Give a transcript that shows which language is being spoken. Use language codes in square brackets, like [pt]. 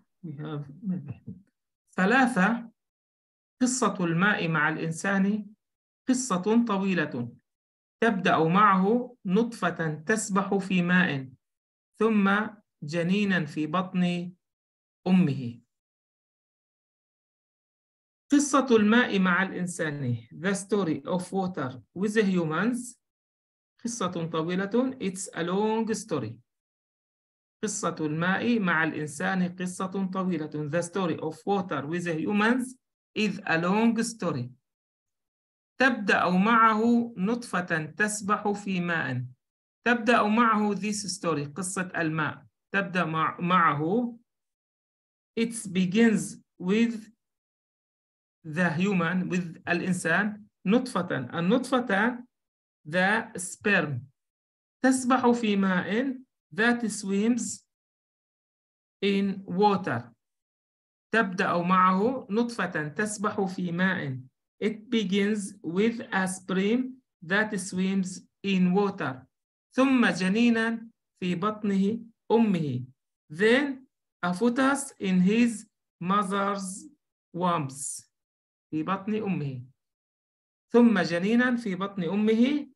[en] We have [ar] ثلاثة قصة الماء مع الإنسان قصة طويلة تبدأ معه نطفة تسبح في ماء ثم جنينا في بطن أمه. قصة الماء مع الإنسان [en] The story of water with humans [ar] قصة طويلة [en] It's a long story. [ar] قصة الماء مع الإنسان قصة طويلة [en] The story of water with humans is a long story. [ar] تبدأ معه نطفة تسبح في ماء. تبدأ معه [en] this story [ar] قصة الماء. تبدأ معه [en] It begins with the human, with [ar] الإنسان, نطفةً, النطفةً, [en] the sperm. [ar] تسبح في ماء, [en] that swims in water. [ar] تبدأ معه نطفةً, تسبح في ماء. [en] It begins with a sperm that swims in water. [ar] ثم جنيناً في بطنه أمه. [en] Then a fetus in his mother's womb. [ar] في بطن أمه. ثم جنيناً في بطن أمه.